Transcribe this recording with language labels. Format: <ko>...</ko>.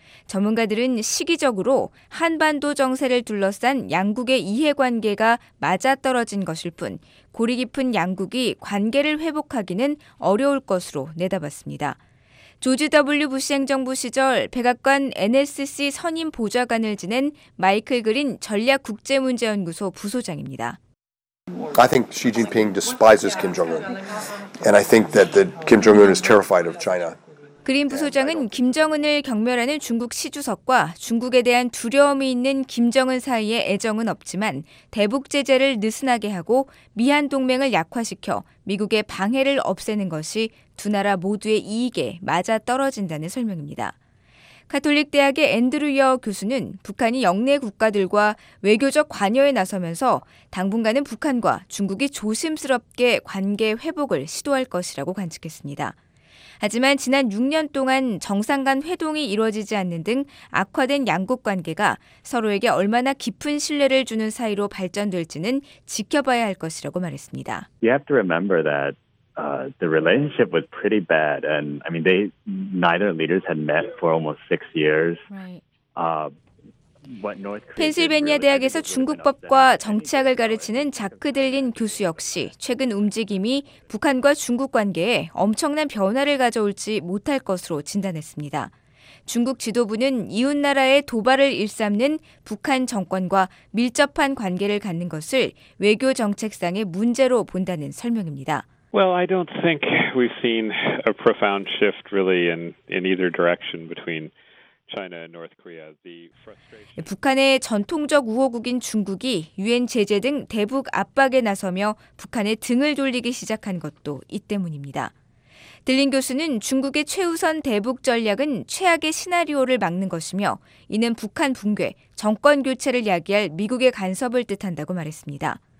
<ko>전문가들은 시기적으로 한반도 정세를 둘러싼 양국의 이해관계가 맞아떨어진 것일 뿐 고리 깊은 양국이 관계를 회복하기는 어려울 것으로 내다봤습니다. 조지 W. 부시 행정부 시절 백악관 NSC 선임 보좌관을 지낸 마이클 그린 전략국제문제연구소 부소장입니다.</ko> <en>I think Xi Jinping despises Kim Jong-un. And I think that Kim Jong-un is terrified of China.</en> <ko>그린 부소장은 김정은을 경멸하는 중국 시 주석과 중국에 대한 두려움이 있는 김정은 사이의 애정은 없지만 대북 제재를 느슨하게 하고 미한 동맹을 약화시켜 미국의 방해를 없애는 것이 두 나라 모두의 이익에 맞아떨어진다는 설명입니다. 가톨릭 대학의 앤드류 여 교수는 북한이 영내 국가들과 외교적 관여에 나서면서 당분간은 북한과 중국이 조심스럽게 관계 회복을 시도할 것이라고 관측했습니다. 하지만 지난 6년 동안 정상 간 회동이 이루어지지 않는 등 악화된 양국 관계가 서로에게 얼마나 깊은 신뢰를 주는 사이로 발전될지는 지켜봐야 할 것이라고 말했습니다.</ko> <en>You have to remember that the relationship was pretty bad and I mean they neither leaders had met for almost 6 years. Right.</en> <ko>펜실베니아 대학에서 중국법과 정치학을 가르치는 자크 들린 교수 역시 최근 움직임이 북한과 중국 관계에 엄청난 변화를 가져올지 못할 것으로 진단했습니다. 중국 지도부는 이웃나라의 도발을 일삼는 북한 정권과 밀접한 관계를 갖는 것을 외교 정책상의 문제로 본다는 설명입니다.</ko> <en>Well, I don't think we've seen a profound shift really in either direction between China and North Korea. The frustration.</en> <ko>북한의 전통적 우호국인 중국이 유엔 제재 등 대북 압박에 나서며 북한의 등을 돌리기 시작한 것도 이 때문입니다. 들린 교수는 중국의 최우선 대북 전략은 최악의 시나리오를 막는 것이며 이는 북한 붕괴, 정권 교체를 야기할 미국의 간섭을 뜻한다고 말했습니다.</ko>